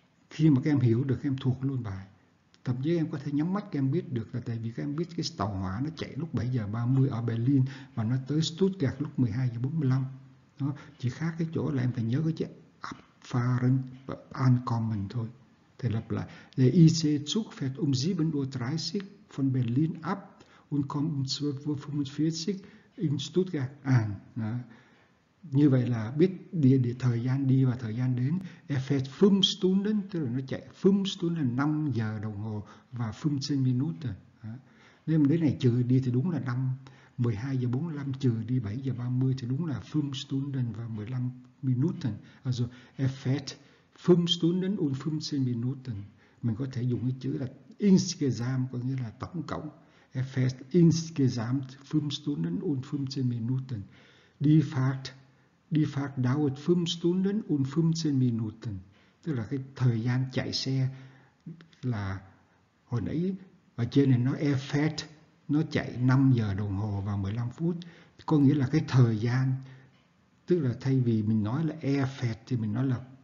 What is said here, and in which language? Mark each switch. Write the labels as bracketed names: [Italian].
[Vietnamese] Khi mà các em hiểu được, các em thuộc luôn bài. Thậm chí em có thể nhắm mắt các em biết được là tại vì các em biết cái tàu hỏa nó chạy lúc 7:30 ở Berlin và nó tới Stuttgart lúc 12:45. Đó. Chỉ khác cái chỗ là em phải nhớ cái chữ Abfahren và Ankommen thôi. Thì lặp lại. [German] Der IC-Zug fährt 7:30 Uhr von Berlin ab und kommt 12:45 Uhr in Stuttgart an. [Vietnamese] Đó. Như vậy là biết địa địa thời gian đi và thời gian đến. [German] Er fährt 5 Stunden, [Vietnamese] tức là nó chạy 5 Stunden là 5 giờ đồng hồ và 15 minutes. Nếu mà đến này trừ đi thì đúng là 5:12:45 trừ đi 7:30 thì đúng là 5 Stunden và 15 minutes. [German] Also er fährt 5 Stunden und 15 minutes. [Vietnamese] Mình có thể dùng cái chữ là insgesamt có nghĩa là tổng cộng. [German] Er fährt insgesamt 5 Stunden und 15 minutes. Die Fahrt dauert 5 Stunden und 15 Minuten. [Vietnamese] Tức là cái thời gian chạy xe là hồi nãy ở trên này nó er fährt, nó chạy 5 giờ đồng hồ và 15 phút. Có nghĩa là cái thời gian, tức là thay vì mình nói là er fährt thì mình nói là